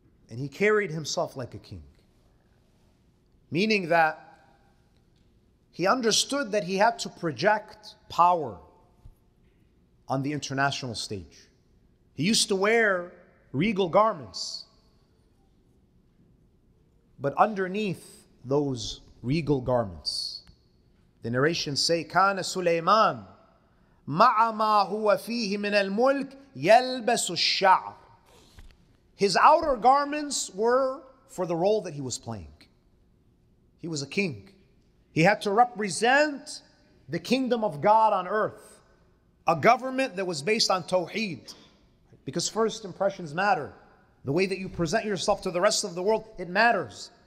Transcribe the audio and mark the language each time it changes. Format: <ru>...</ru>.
<en>And he carried himself like a king. Meaning that he understood that he had to project power on the international stage. He used to wear regal garments. But underneath those regal garments, the narrations say,</en> <ar>كَانَ سُلَيْمَانَ مَعَ مَا هُوَ فِيهِ مِنَ الْمُلْكِ يَلْبَسُ الشَّعْرِ.</ar> <en>His outer garments were for the role that he was playing. He was a king. He had to represent the kingdom of God on earth, a government that was based on tawheed. Because first impressions matter. The way that you present yourself to the rest of the world, it matters.</en>